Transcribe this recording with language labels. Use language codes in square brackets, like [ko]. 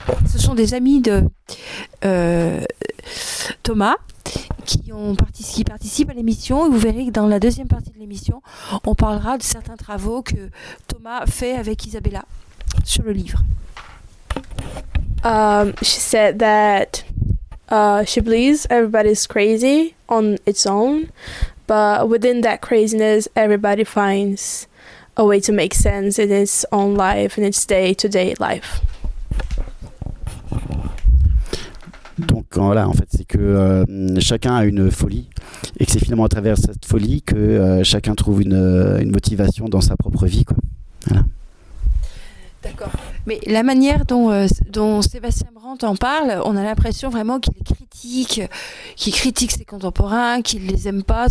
[fr] Ce sont des amis de Thomas, qui participent à l'émission, et vous verrez que dans la deuxième partie de l'émission, on parlera de certains travaux que Thomas fait avec Isabella sur le livre. [en] She said that she believes everybody's crazy on its own, but within that craziness, everybody finds a way to make sense in its own life, in its day-to-day life. [fr] Donc voilà, en fait, c'est que chacun a une folie, et que c'est finalement à travers cette folie que chacun trouve une motivation dans sa propre vie, quoi. Voilà. D'accord. Mais la manière dont Sébastien Brandt en parle, on a l'impression vraiment qu'il critique ses contemporains, qu'il les aime pas.